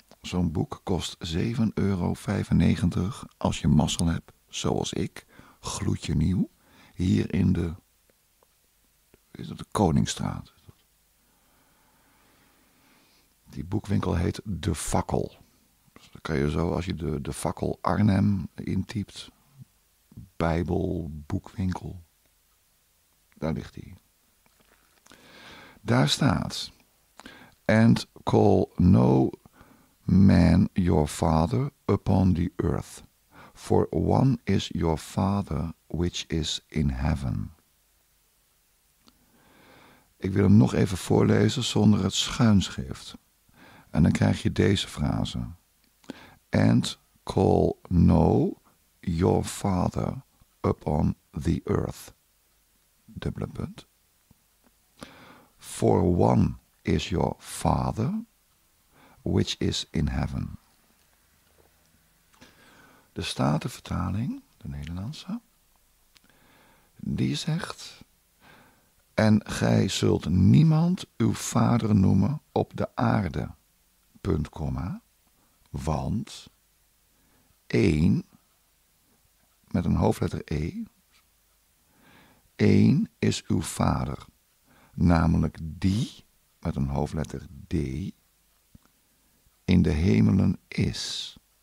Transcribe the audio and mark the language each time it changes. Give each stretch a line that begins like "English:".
Dutch: Zo'n boek kost €7,95 als je mazzel hebt, zoals ik, gloedje nieuw, hier in de, is dat de Koningsstraat. Die boekwinkel heet De Fakkel. Dus dan kan je zo, als je de Fakkel Arnhem intypt, Bijbel, boekwinkel, daar ligt die. Daar staat,
English: and call no man your father upon the earth, for one is your father which is in heaven.
Dutch: Ik wil hem nog even voorlezen zonder het schuinschrift. En dan krijg je deze frase.
English: And call no your father upon the earth.
Dutch: Dubbele punt.
English: For one is your father which is in heaven.
Dutch: De Statenvertaling, de Nederlandse, die zegt, en gij zult niemand uw vader noemen op de aarde, punt komma, want één, met een hoofdletter E, één is uw vader, namelijk die, met een hoofdletter D, in de hemelen is.